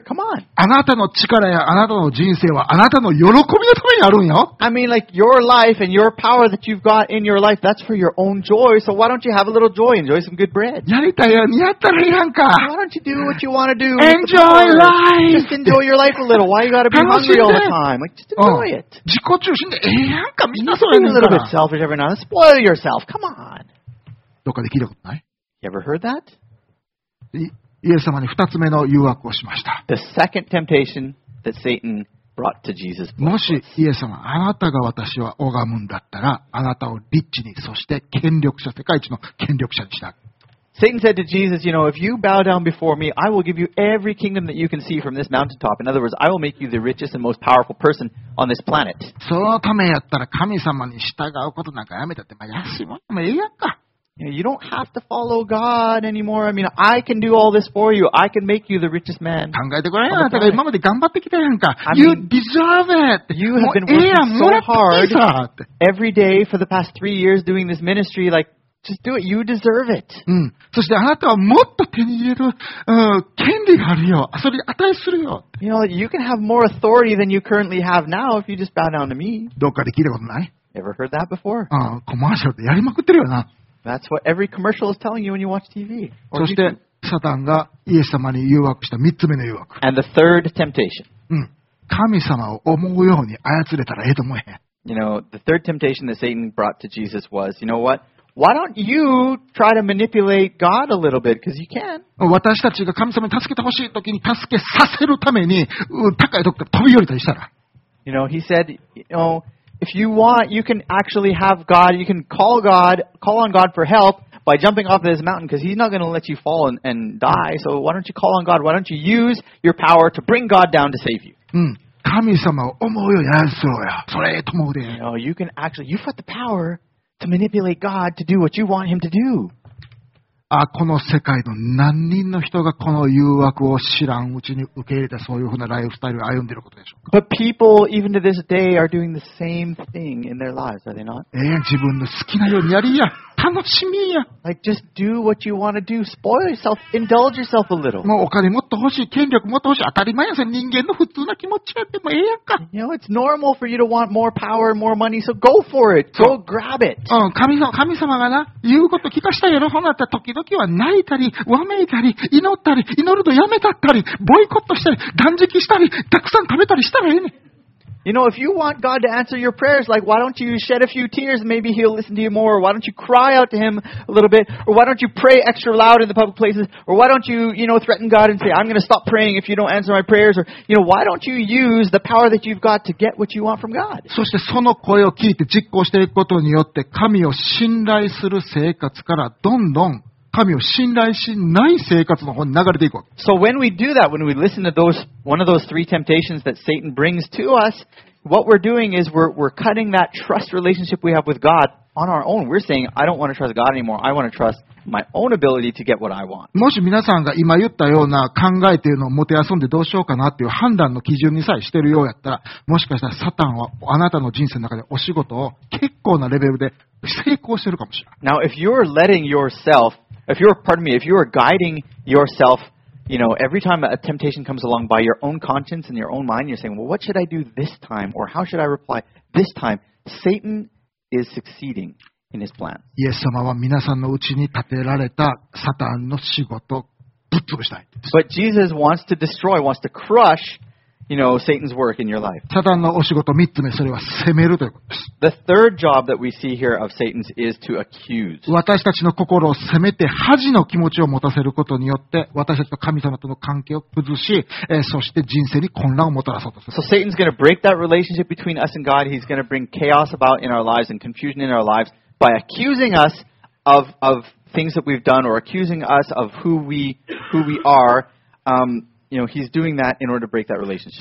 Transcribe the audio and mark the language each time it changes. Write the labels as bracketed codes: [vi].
[en] Come on. [ja] あなたの力やあなたの人生はあなたの喜びのためにあるんよ。 [en] I mean, like, your life and your power that you've got in your life, that's for your own joy, so why don't you have a little joy, enjoy some good bread? [ja] やりたいやん、やったらいいやんか。 [en] Why don't you do what you want to do? Enjoy life! Just enjoy your life a little. Why you gotta be hungry all the time? Like, just enjoy it. [ja] 自己中心でええやんか、みんなそれやんか。 [en] Be a little bit selfish every now and then. Spoil yourself. Come on. [ja] どっかで聞いたことない? [en] Ever heard that? [ja] イエス様に二つ目の誘惑をしました。 [en] The second temptation that Satan brought to Jesus. [ja] もしイエス様、あなたが私は拝むんだったら、あなたをリッチに、そして権力者、世界一の権力者にした。 [en] Satan said to Jesus, you know, if you bow down before me, I will give you every kingdom that you can see from this mountaintop. In other words, I will make you the richest and most powerful person on this planet. [ja] そのためやったら神様に従うことなんかやめたって、まあ、安いもんでもいいやんか。 [en] You know, you don't have to follow God anymore. I mean, I can do all this for you. I can make you the richest man. [ja] 考えてごらんよ。だから今まで頑張ってきたやんか。 [en] You deserve it. You have been working so hard every day for the past 3 years doing this ministry. Like, just do it. You deserve it. [ja] そしてあなたはもっと手に入れる権利があるよ。それに値するよ。 [en] You know, you can have more authority than you currently have now if you just bow down to me. [ja] どっかで聞いたことない? [en] Ever heard that before? [ja] コマーシャルでやりまくってるよな。 [en] That's what every commercial is telling you when you watch TV. [ja] そしてサタンがイエス様に誘惑した3つ目の誘惑。 [en] And the third temptation. [ja] 神様を思うように操れたらええと思えへん。 [en] You know, the third temptation that Satan brought to Jesus was, you know what? Why don't you try to manipulate God a little bit? Because you can. [ja] 私たちが神様に助けてほしい時に助けさせるために高いところ飛び降りたりしたら。 [en] You know, he said, you know, if you want, you can actually have God, you can call God, call on God for help. By jumping off of this mountain, because he's not going to let you fall and die. So why don't you call on God? Why don't you use your power to bring God down to save you? [ja] 神様を思うようにやらせろよ。それと思うで。 [en] No, you can actually, you've got the power to manipulate God to do what you want him to do. [ja] あ、この世界の何人の人がこの誘惑を知らんうちに受け入れたそういうふうなライフスタイルを歩んでいることでしょうか。 [en] But people, even to this day, are doing the same thing in their lives, are they not? [ja] 自分の好きなようにやりや。楽しみや。 [en] Like, just do what you want to do. Spoil yourself. Indulge yourself a little. [ja] もうお金もっと欲しい。権力もっと欲しい。当たり前やさ。人間の普通な気持ちやってもええやんか。 [en] You know, it's normal for you to want more power, more money, so go for it. Go grab it. [ja] 神様がな、言うこと聞かしたやろ。ほなったら時々は泣いたり、わめいたり、祈ったり、祈るとやめたったり、ボイコットしたり、断食したり、たくさん食べたりしたらええねん。 [en] You know, if you want God to answer your prayers, like, why don't you shed a few tears? Maybe he'll listen to you more. Or why don't you cry out to him a little bit? Or why don't you pray extra loud in the public places? Or why don't you, you know, threaten God and say, I'm going to stop praying if you don't answer my prayers? Or, you know, why don't you use the power that you've got to get what you want from God? [ja] そしてその声を聞いて実行していくことによって神を信頼する生活からどんどん神を信頼しない生活の方に流れていく。 [en] So when we do that, when we listen to those, one of those three temptations that Satan brings to us, what we're doing is we're cutting that trust relationship we have with God on our own. We're saying, I don't want to trust God anymore. I want to trust my own ability to get what I want. [ja] もし皆さんが今言ったような考えというのを持て遊んでどうしようかなっていう判断の基準にさえしてるようやったら、もしかしたらサタンはあなたの人生の中でお仕事を結構なレベルで成功してるかもしれない。 [en] Now, if you're letting yourself If you're, pardon me, if you're guiding yourself, you know, every time a temptation comes along by your own conscience and your own mind, you're saying, well, what should I do this time? Or how should I reply this time? Satan is succeeding in his plan. [ja] イエス様は皆さんのうちに立てられたサタンの仕事をぶっ潰したい。 [en] But Jesus wants to destroy, wants to crush, you know, Satan's work in your life. [ja] サタンのお仕事3つ目、それは責めるということです。 [en] The third job that we see here of Satan's is to accuse. [ja] 私たちの心を責めて恥の気持ちを持たせることによって私たちと神様との関係を崩し、そして人生に混乱をもたらそうとする。 [en] So Satan's going to break that relationship between us and God. He's going to bring chaos about in our lives and confusion in our lives by accusing us of things that we've done or accusing us of who we are. You know, he's doing that in order to break that relationship.